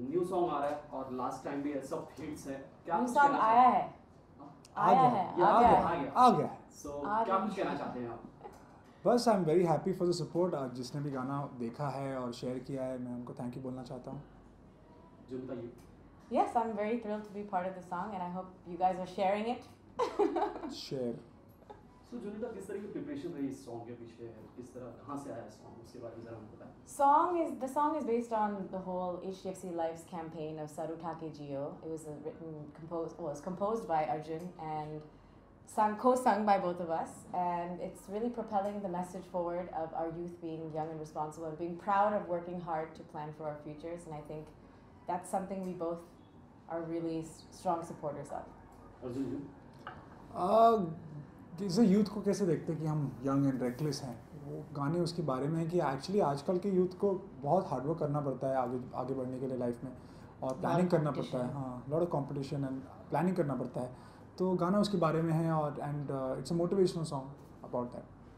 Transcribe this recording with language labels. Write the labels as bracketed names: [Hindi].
[English] new song [Hindi] आ रहा है और [English] last time [Hindi] भी सब हिट्स है क्या [English] new song [Hindi] आया है जिसने भी गाना देखा है और शेयर किया है मैं उनको [English] thank you [Hindi] बोलना चाहता हूँ [English] Yes, I'm very thrilled to be part of the song and I hope you guys are sharing it. Share. The song is based on the whole HDFC Life's campaign of Sarutake Jio. It was composed by Arjun and co-sung by both of us. And it's really propelling the message forward of our youth being young and responsible and being proud of working hard to plan for our futures. And I think that's something we both are really strong supporters of. [Hindi] जैसे youth को कैसे देखते हैं कि हम [English] young and reckless [Hindi] हैं वो गाने उसके बारे में है कि एक्चुअली आजकल के यूथ को बहुत हार्डवर्क करना पड़ता है आगे आगे बढ़ने के लिए लाइफ में और प्लानिंग करना पड़ता है हाँ [English] lot of competition and planning [Hindi] करना पड़ता है तो गाना उसके बारे में है और [English] and it's a motivational song about that